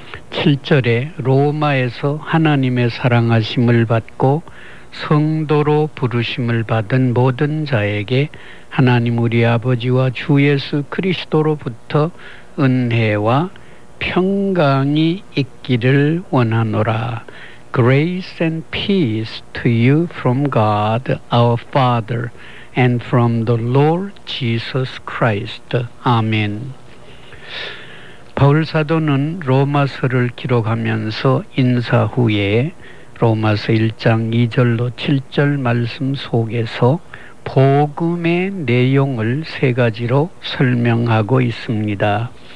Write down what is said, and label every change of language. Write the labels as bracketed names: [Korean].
[Korean] 7절에 로마에서 하나님의 사랑하심을 받고 성도로 부르심을 받은 모든 자에게 하나님 우리 아버지와 주 예수 그리스도로부터 은혜와 평강이 있기를 원하노라. [English] Grace and peace to you from God our Father and from the Lord Jesus Christ. Amen. [Korean] 바울 사도는 로마서를 기록하면서 인사 후에 로마서 1장 2절로 7절 말씀 속에서 복음의 내용을 세 가지로 설명하고 있습니다.